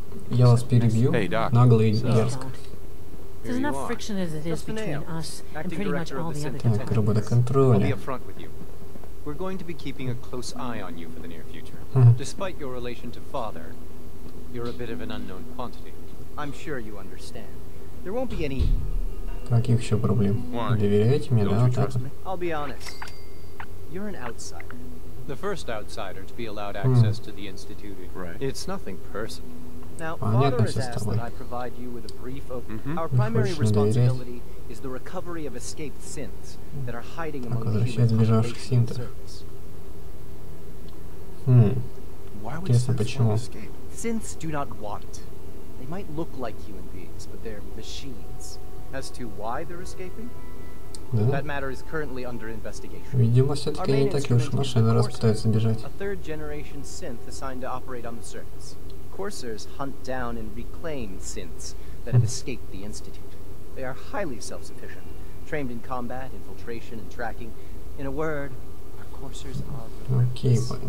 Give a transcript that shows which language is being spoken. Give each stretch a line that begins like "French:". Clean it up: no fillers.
Russian: Я вас перебью, нагло и дерзко.
English: There's enough friction as it is between us and pretty much all the other detectives.
Russian: Так, роботоконтроль.
English: I'll be upfront with you. We're going to be keeping a close eye on you for the near future. Despite your relation to Father, you're a bit of an unknown quantity. I'm sure you understand. There won't be any.
Russian: Каких еще проблем? Доверяете мне, да? Так.
English: I'll be honest. You're an outsider. The first outsider to be allowed access to the institute. Right. It's nothing personal. Now, father has asked that I provide you with a brief of our primary responsibility is the recovery of escaped synths that are hiding among the
Russian: бежавших синтов.
English: Why would synths escape? Synths do not want. They might look like human beings, but they're machines. As to why they're escaping? That matter is currently under investigation.
Russian: Видимо, все-таки не так уж машины раз пытаются бежать.
English: A third generation synth assigned to operate on the surface. Coursers hunt down and reclaim synths that have escaped the institute. They are highly self-sufficient, trained in combat, infiltration, and tracking. In a word, our coursers are relentless.